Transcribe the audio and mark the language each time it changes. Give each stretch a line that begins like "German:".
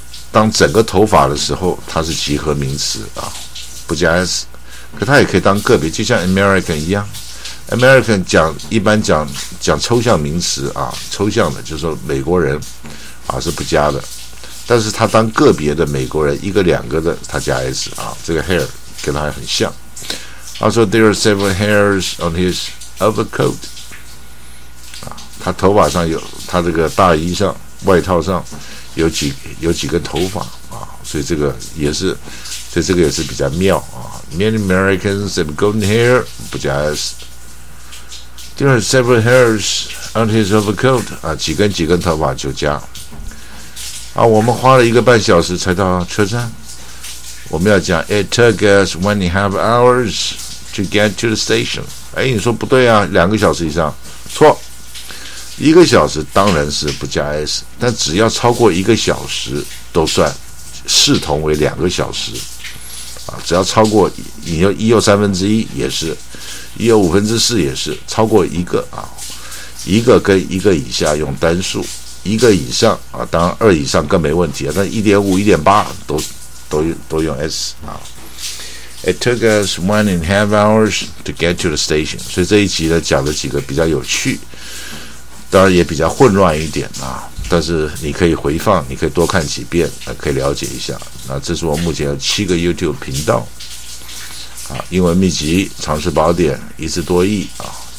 Chinese: 当整个头发的时候它是集合名词啊，不加 S， 可它也可以当个别，就像 American 一样， American 讲一般讲抽象名词啊，抽象的就是说美国人啊，是不加的。但是他当个别的美国人一个两个的，他加 S 啊，这个 hair 跟他很像。
English: Also, there are several hairs on his overcoat.
Chinese: 啊，他头发上有，他这个大衣上、外套上有几根头发啊，所以这个也是，所以这个也是比较妙啊。
English: Many Americans have golden hair,
Chinese: 不加 S.
English: There are several hairs on his overcoat.
Chinese: 啊，几根头发就加。啊，我们花了一个半小时才到车站。我们要讲
English: It took us 1.5 hours to get to the station.
Chinese: 哎，你说不对啊，两个小时以上，错。一个小时当然是不加 S， 但只要超过一个小时都算视同为两个小时。啊，只要超过你要一又三分之一也是，一又五分之四也是，超过一个啊，一个跟一个以下用单数。一个以上啊，当然二以上更没问题啊，但1.5、1.8都用 S 啊。
English: It took us 1.5 hours to get to the station。
Chinese: 所以这一集呢讲了几个比较有趣，当然也比较混乱一点啊，但是你可以回放，你可以多看几遍，可以了解一下。那这是我目前有7个 YouTube 频道啊，英文秘籍、常识宝典、一字多义啊。